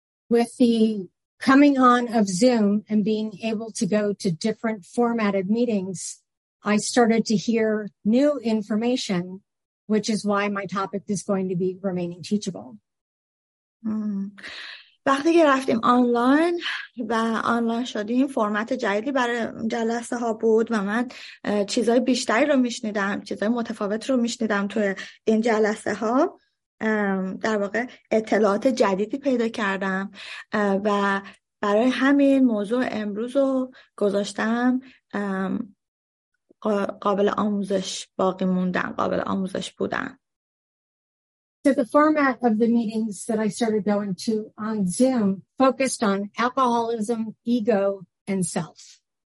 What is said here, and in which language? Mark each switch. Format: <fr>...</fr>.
<en>With the coming on of Zoom and being able to go to different formatted meetings, I started to hear new information, which is why my topic is going to be remaining teachable.</en> <fa>وقتی که رفتیم آنلاین و آنلاین شدیم، فرمت جدیدی برای جلسه ها بود و من چیزای بیشتری رو میشنیدم، چیزای متفاوت رو میشنیدم توی این جلسه ها. در واقع اطلاعات جدیدی پیدا کردم و برای همین موضوع امروز رو گذاشتم قابل آموزش باقی موندن، قابل آموزش بودن.</fa> <en>So the format of the meetings that I started going to on Zoom focused on alcoholism, ego, and self.</en>